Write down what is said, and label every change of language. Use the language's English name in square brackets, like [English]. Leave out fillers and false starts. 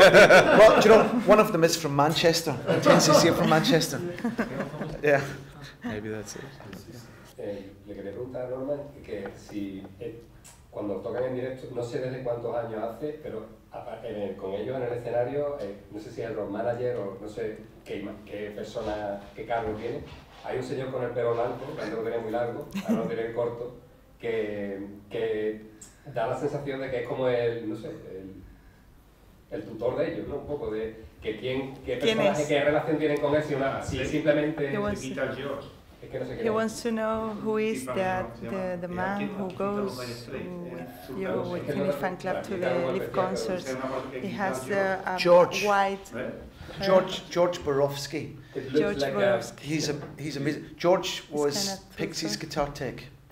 [English] Well, do you know, one of them is from Manchester. 10cc are from Manchester. Yeah. Maybe that's it. [Spanish] Le quería preguntar a Norman que si cuando tocan en directo, no sé desde cuántos años hace, pero con ellos en el escenario, no sé si el road manager o no sé qué persona, qué cargo tiene. Hay un señor con el pelo blanco, que antes lo tenía muy largo, ahora lo tiene corto, que da la sensación de que es como el tutor de ellos, ¿no? Un poco de que ¿Quién personaje, es? Qué relación tienen con él, si una, si es simplemente [English] Peter George. He wants to know who is that the man who goes with the FANCLUB to the Leaf concerts. He has a white George Borowski. George Borowski. He's amazing. George was Pixies guitar tech.